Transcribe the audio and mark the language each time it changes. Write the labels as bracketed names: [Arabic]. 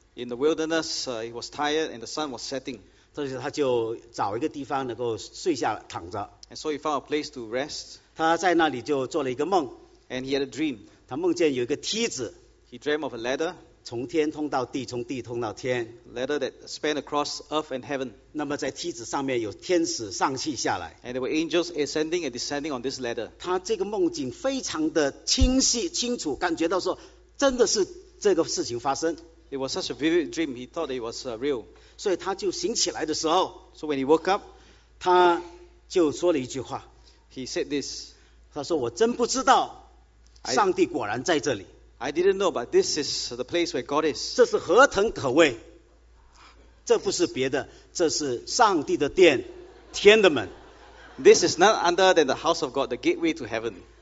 [English] In the wilderness, he was tired and the sun was setting. [Chinese] 所以他就找一个地方能够睡下躺着。 [English] And so he found a place to rest. [Chinese] 他在那里就做了一个梦。 [English] And he had a dream. [Chinese] 他梦见有一个梯子。 [English] He dreamt of a ladder. [Chinese] 从天通到地，从地通到天。 [English] Ladder that span across earth and heaven. [Chinese] 那么在梯子上面有天使上去下来。 [English] And there were angels ascending and descending on this ladder. [Chinese] 他这个梦境非常的清晰，清楚，感觉到说真的是这个事情发生。 [English] It was such a vivid dream, he thought it was real. [Chinese] 所以他就醒起来的时候， [English] So when he woke up, [Chinese] 他就说了一句话， [English] He said this, [Chinese] 他说我真不知道上帝果然在这里。 [English] I didn't know, but this is the place where God is. [Chinese] 这是何等可畏！这不是别的， 这是上帝的殿， 天的门。 [English] This is none other than the house of God, the gateway to heaven.